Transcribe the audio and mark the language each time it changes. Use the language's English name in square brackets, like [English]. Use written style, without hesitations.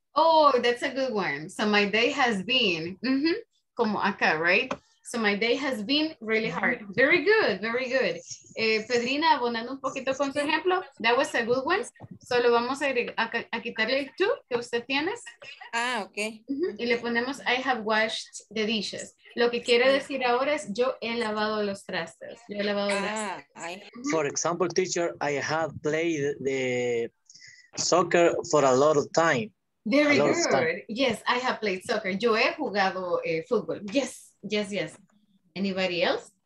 [English] Oh, that's a good one. So, my day has been, mm-hmm, [Spanish] como acá, [English] right? So my day has been really hard. Very good, very good. [Spanish] Pedrina, abonando un poquito con tu ejemplo. [English] That was a good one. [Spanish] Solo vamos a quitarle el tú que usted tiene. [English] Ah, okay. [Spanish] Y le ponemos [English] I have washed the dishes. [Spanish] Lo que quiere decir ahora es yo he lavado los trastes. Yo he lavado los trastes. [English] For example, teacher, I have played the soccer for a lot of time. Very good. Yes, I have played soccer. [Spanish] Yo he jugado fútbol. [English] Yes. Yes, yes. Anybody else?